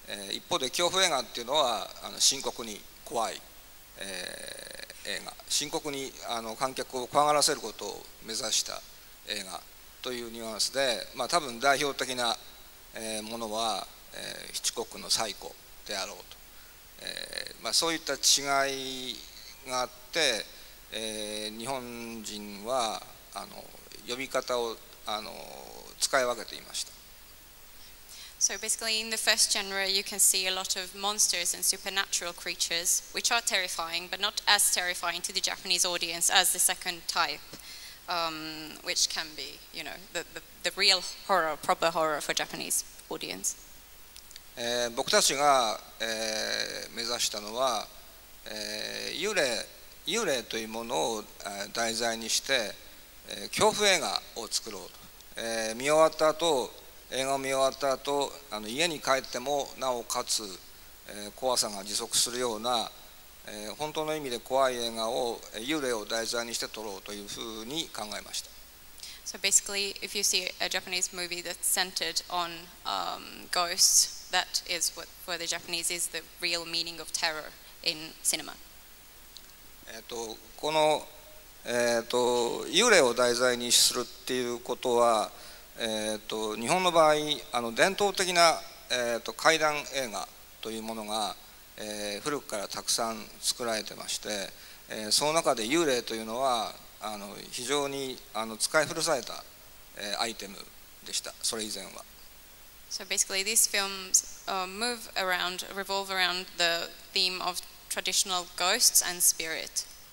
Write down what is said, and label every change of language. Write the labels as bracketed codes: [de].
[ja] 一方で恐怖映画っていうのは深刻に怖い、映画深刻に観客を怖がらせることを目指した映画というニュアンスで、まあ、多分代表的な、ものは、ヒチコックのサイコであろうと、そういった違いがあって、日本人は呼び方を使い分けていました。 [en] So basically in the first genre you can see a lot of monsters and supernatural creatures which are terrifying but not as terrifying to the Japanese audience as the second type which can be you know the real horror proper horror for Japanese audience. [ja] 僕たちが、目指したのは、幽霊というものを題材にして、恐怖映画を作ろうと、見終わった後映画を見終わった後家に帰ってもなおかつ、怖さが持続するような、本当の意味で怖い映画を幽霊を題材にして撮ろうというふうに考えました。 [en] So basically, if you see a Japanese movie that's centered on ghosts, that is what for the Japanese is the real meaning of terror in cinema. [ja] この、幽霊を題材にするっていうことは日本の場合伝統的な、怪談映画というものが、古くからたくさん作られてまして、その中で幽霊というのは非常に使い古された、アイテムでした。それ以前は。 [en] So basically these films revolve around the theme of traditional ghosts and spirit.